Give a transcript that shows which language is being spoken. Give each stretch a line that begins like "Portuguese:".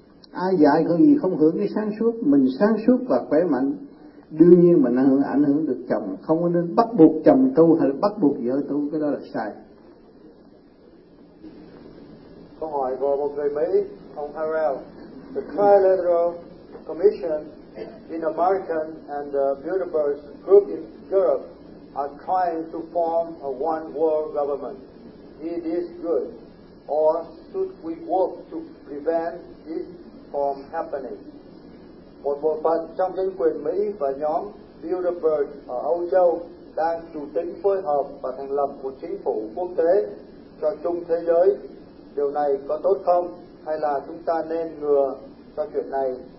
Vietnamese: Ai dạy có gì không hưởng cái sáng suốt. Mình sáng suốt và khỏe mạnh, đương nhiên mình ảnh hưởng được chồng. Không nên bắt buộc chồng tu hay bắt buộc vợ tu, cái đó là sai. Câu hỏi của một người Mỹ, ông Harrell.
English: The Trilateral Commission in America and the Bilderberg Group in Europe are trying to form a one world government. Is this good? Or should we work to prevent this from happening?
Vietnamese: Một bộ phận trong chính quyền Mỹ và nhóm Bilderberg ở Âu Châu đang chủ tính phối hợp và thành lập một chính phủ quốc tế cho chung thế giới. Điều này có tốt không? Hay là chúng ta nên ngừa cho chuyện này?